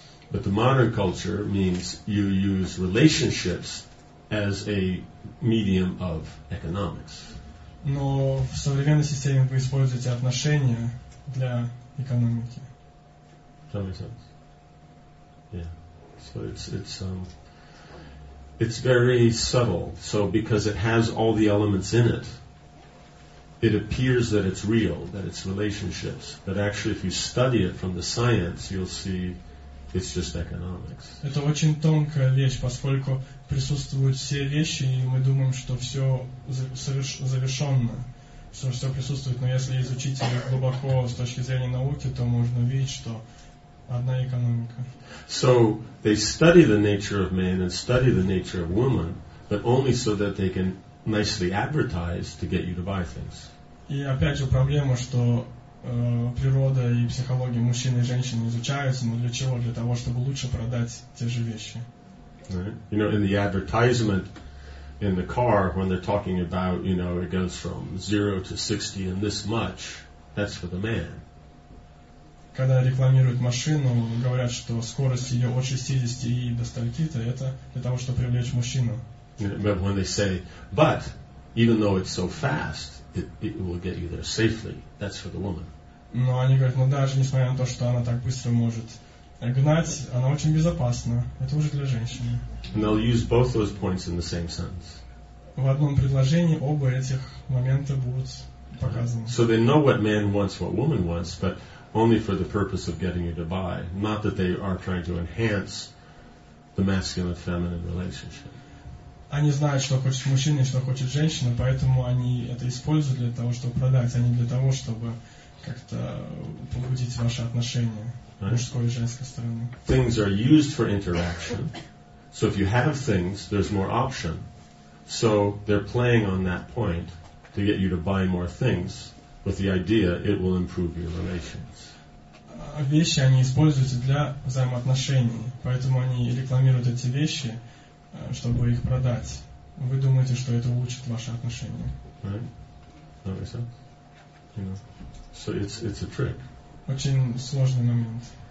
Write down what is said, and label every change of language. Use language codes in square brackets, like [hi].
[en] But the modern culture means you use relationships as a medium of economics. [ru] Но в современной системе вы используете отношения для экономики. [en] That makes sense. Yeah. So it's very subtle. So because it has all the elements in it, it appears that it's real, that it's relationships. But actually, if you study it from the science, you'll see it's just economics. [ru] Это очень тонкая вещь, поскольку присутствуют все вещи, и мы думаем, что все завершенно, что все присутствует. Но если изучить это глубоко с точки зрения науки, то можно видеть, что одна экономика. [en] So they study the nature of man and study the nature of woman, but only so that they can nicely advertise to get you to buy things. [ru] И опять же проблема, что природа и психология мужчин и женщин изучаются, но для чего? Для того, чтобы лучше продать те же вещи. [en] Right. You know, in the advertisement in the car, when they're talking about, you know, it goes from 0 to 60 and this much, that's for the man. [ru] Когда рекламируют машину, говорят, что скорость ее от 60 и до стольки-то, это для того, чтобы привлечь мужчину. [en] But when they say, but even though it's so fast, it will get you there safely. That's for the woman. [ru] Но они говорят, ну даже несмотря на то, что она так быстро может гнать, она очень безопасна. Это уже для женщины. [en] And they'll use both those points in the same sentence. [ru] В одном предложении оба этих момента будут показаны. [en] So they know what man wants, what woman wants, but only for the purpose of getting you to buy, not that they are trying to enhance the masculine-feminine relationship. [ru] Они знают, что хочет мужчина и что хочет женщина, поэтому они это используют для того, чтобы продать, а не для того, чтобы как-то побудить ваши отношения мужской и женской стороны. [en] Things are used for interaction, so if you have things, there's more option. So they're playing on that point to get you to buy more things, with the idea it will improve your relations. [ru] Вещи они используются для взаимоотношений, поэтому они рекламируют эти вещи, чтобы их продать. Вы думаете, что это улучшит ваши отношения? [en] Right? That makes sense. You know. So it's a trick. [ru] Очень сложный момент.